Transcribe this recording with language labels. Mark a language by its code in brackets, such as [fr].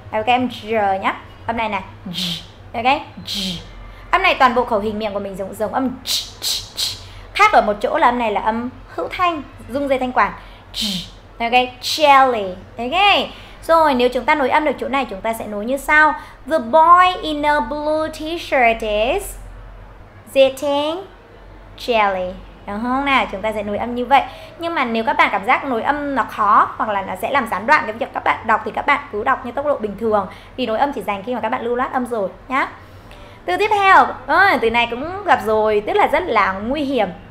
[vi] Ok, em j nhá. Âm này này, j. Ok, j. Âm này toàn bộ khẩu hình miệng của mình giống âm j, j, j. Khác ở một chỗ là âm này là âm hữu thanh, rung dây thanh quản, j. Ok, jelly. Ok. Rồi, nếu chúng ta nối âm được chỗ này, chúng ta sẽ nối như sau. [en] The boy in a blue t-shirt is eating jelly. [vi] Đúng không nào? Chúng ta sẽ nối âm như vậy. Nhưng mà nếu các bạn cảm giác nối âm nó khó hoặc là nó sẽ làm gián đoạn cái việc các bạn đọc, thì các bạn cứ đọc như tốc độ bình thường. Vì nối âm chỉ dành khi mà các bạn lưu loát âm rồi nhá. Từ tiếp theo, từ này cũng gặp rồi, tức là rất là nguy hiểm.